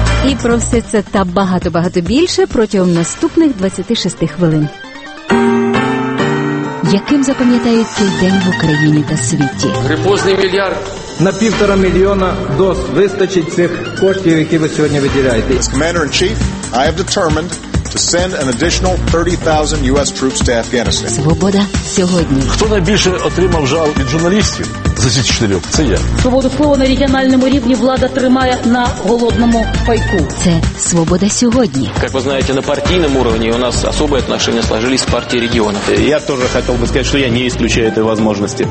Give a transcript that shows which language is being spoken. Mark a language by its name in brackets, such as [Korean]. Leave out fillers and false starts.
[Ukrainian] І про все це та багато-багато більше протягом наступних 26 хвилин. Яким запам'ятають цей день в Україні та світі? Грипозний мільярд. На 1,5 мільйона доз вистачить цих коштів, які ви сьогодні виділяєте. [English] As Commander-in-Chief, I have determined to send an additional 30,000 US troops to Afghanistan. [Ukrainian] Свобода сьогодні. Хто найбільше отримав жал від журналістів за ці 4 роки? Це я. Свободу слова на регіональному рівні влада тримає на голодному пайку. Це «Свобода сьогодні». Як ви знаєте, на партійному рівні у нас особі відносини сложились в партії регіонів. Я теж хотів би сказати, що я не ісключаю цієї можливості.